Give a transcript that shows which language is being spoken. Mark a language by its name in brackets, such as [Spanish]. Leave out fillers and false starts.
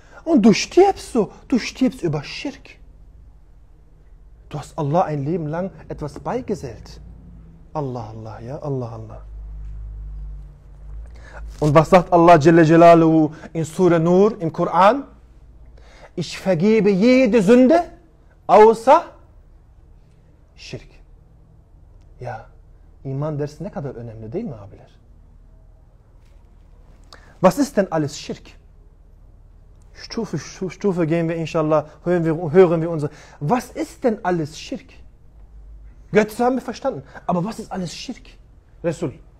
[German] Und du stirbst so, du stirbst über Schirk. Du hast Allah ein Leben lang etwas beigesellt. Allah, Allah, ja, Allah, Allah. Und was sagt Allah Jalla Jalaluhu in Surah Nur, im Koran? Ich vergebe jede Sünde, außer Schirk. [Turkish] Ja, İman dersi ne kadar önemli değil mi abiler? [German] Was ist denn alles Schirk? Stufe für Stufe gehen wir inşallah, hören wir unsere. Was ist denn alles Schirk? Götze haben wir verstanden. Aber was ist alles Schirk? Resul.